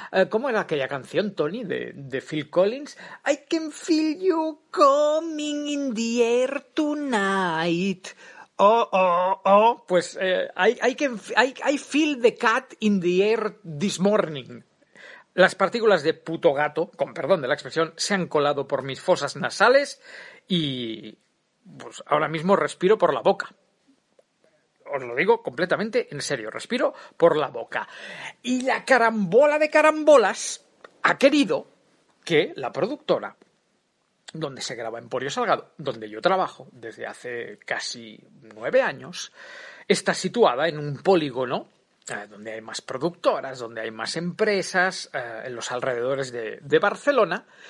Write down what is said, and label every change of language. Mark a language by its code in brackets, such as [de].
[es] ¿Cómo era aquella canción, Tony, de Phil Collins? [en] I can feel you coming in the air tonight. [es] Oh. Pues [en] I feel the cat in the air this morning. [es] Las partículas de puto gato, con perdón de la expresión, se han colado por mis fosas nasales y... Pues ahora mismo respiro por la boca. Os lo digo completamente en serio. Respiro por la boca. Y la carambola de carambolas ha querido que la productora, donde se graba Emporio Salgado, donde yo trabajo desde hace casi 9 años, está situada en un polígono donde hay más productoras, donde hay más empresas, en los alrededores de Barcelona.